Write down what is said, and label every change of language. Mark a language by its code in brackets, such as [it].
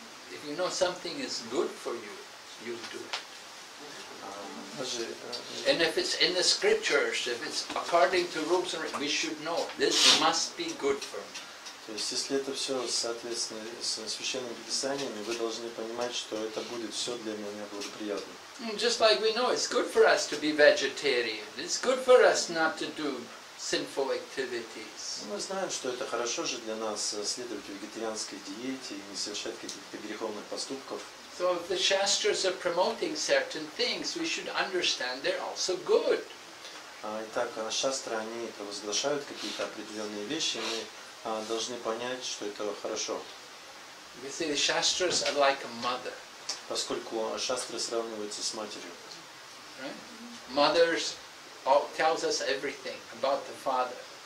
[en] If you know something is good for you, you'll do it. And if it's in the scriptures, if it's according to rules, we should know this must be good for me. [ru] То есть, если это все соответственно с священными писаниями, вы должны понимать, что это будет все для меня благоприятно. [en] Just like we know, it's good for us to be vegetarian. It's good for us not to do sinful activities. [ru] Мы знаем, что это хорошо же для нас следовать вегетарианской диете и не совершать каких-то греховных поступков. [en] So if the Shastras are promoting certain things, we should understand they're also good. [ru] Итак, Шастры, они провозглашают какие-то определенные вещи, мы должны понять, что это хорошо. [en] You see, the Shastras are like a mother. [ru] Поскольку Шастры сравниваются с матерью. [en] Right? Mothers all tells us everything about the father.